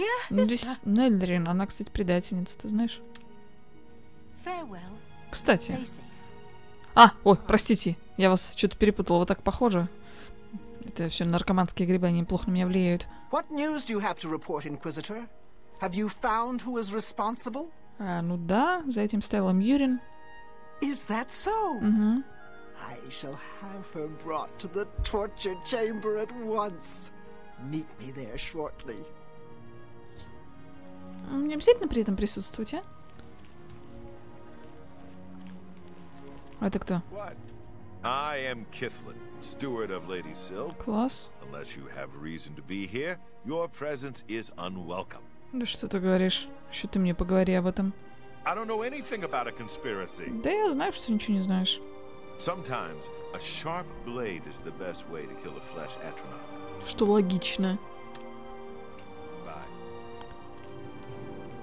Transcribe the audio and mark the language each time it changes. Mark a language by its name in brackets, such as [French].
[Russian] Здесь Нейлерин, она, кстати, предательница, ты знаешь. Кстати. А, ой, простите, я вас что-то перепутала, вот так похоже. Это все наркоманские грибы, они плохо на меня влияют. [English] What news do you have to report, Inquisitor? Have you found who is responsible? [Russian] А, ну да, за этим стоял Мьюрин. [English] Is that so? Угу. I shall have her brought to the torture chamber at once. Meet me there shortly. [Russian] Не обязательно при этом присутствовать, а? Это кто? [English] I am Kiflin, steward of Lady Syl. [Russian] Класс. [English] Unless you have reason to be here, your presence is unwelcome. [Russian] Да что ты говоришь? Еще ты мне поговори об этом. [English] I don't know anything about a conspiracy. [Russian] Да я знаю, что ты ничего не знаешь. [English] Sometimes a sharp blade is the best way to kill a flesh atronach. [Russian] Что логично. [English] Bye.